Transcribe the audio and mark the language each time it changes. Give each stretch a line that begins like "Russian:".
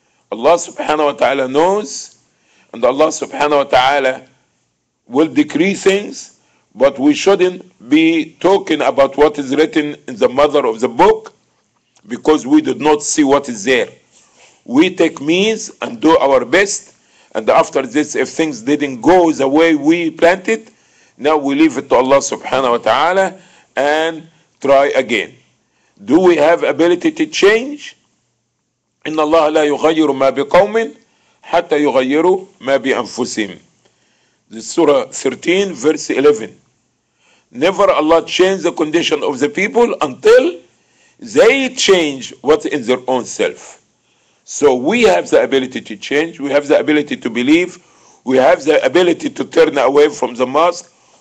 English: Allah subhanahu wa ta'ala knows, and Allah subhanahu wa ta'ala will decree things, but we shouldn't be talking about what is written in the mother of the book, because we did not see what is there. We take means and do our best, and after this, if things didn't go the way we planted, now we leave it to Allah subhanahu wa ta'ala and try again. Do we have ability to change?
Arabic: إن الله لا يغير ما بقوم حتى يغيروا ما بأنفسهم.
English: Surah 13, verse 11. Never Allah change the condition of the people until they change what's in their own self. So we have the ability to change. We have the ability to believe. We have the ability to turn away from the mosque.